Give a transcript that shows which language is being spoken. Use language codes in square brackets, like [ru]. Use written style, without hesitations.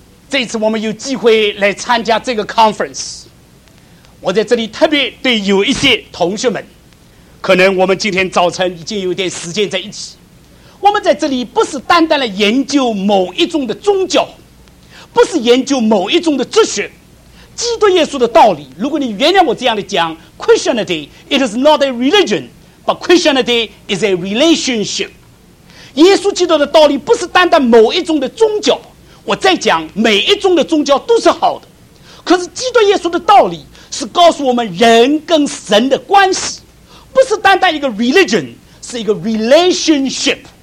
[zh] 这次我们有机会来参加这个 conference， 我在这里特别对有一些同学们，可能我们今天早晨已经有点时间在一起，我们在这里不是单单来研究某一种的宗教，不是研究某一种的哲学。基督耶稣的道理，如果你原谅我这样的讲， [en] Christianity it is not a religion， but Christianity is a relationship。 [zh] 耶稣基督的道理不是单单某一种的宗教，我再讲，每一种的宗教都是好的，可是基督耶稣的道理是告诉我们人跟神的关系，不是单单一个 religion， 是一个 relationship。